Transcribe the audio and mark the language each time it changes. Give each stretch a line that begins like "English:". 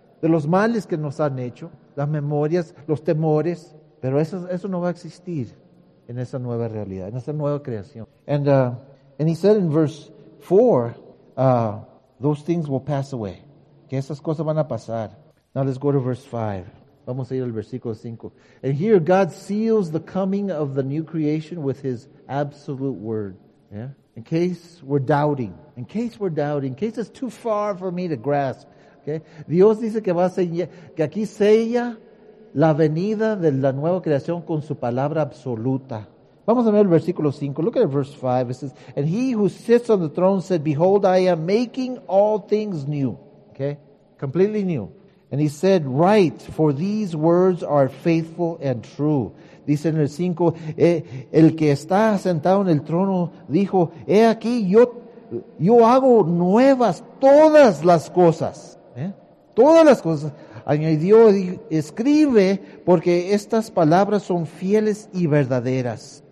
Spanish: De los males que nos han hecho, las memorias, los temores. Pero eso no va a existir en esa nueva realidad, en esa nueva creación.
English: And he said in verse 4, those things will pass away.
Spanish: Que esas cosas van a pasar.
English: Now let's go to verse 5.
Spanish: Vamos a ir al versículo 5.
English: And here God seals the coming of the new creation with his absolute word. Yeah? In case we're doubting. In case we're doubting. In case it's too far for me to grasp. Ok. Okay?
Spanish: Dios dice que va a sellar, que aquí sella la venida de la nueva creación con su palabra absoluta. Vamos a ver el versículo 5.
English: Look at verse 5. It says, "And he who sits on the throne said, 'Behold, I am making all things new.'" Okay? Completely new. "And he said, 'Write, for these words are faithful and true.'"
Spanish: Dice en el 5, el que está sentado en el trono dijo, "He aquí, yo hago nuevas todas las cosas." Todas las cosas. Añadió, "Escribe, porque estas palabras son fieles y verdaderas."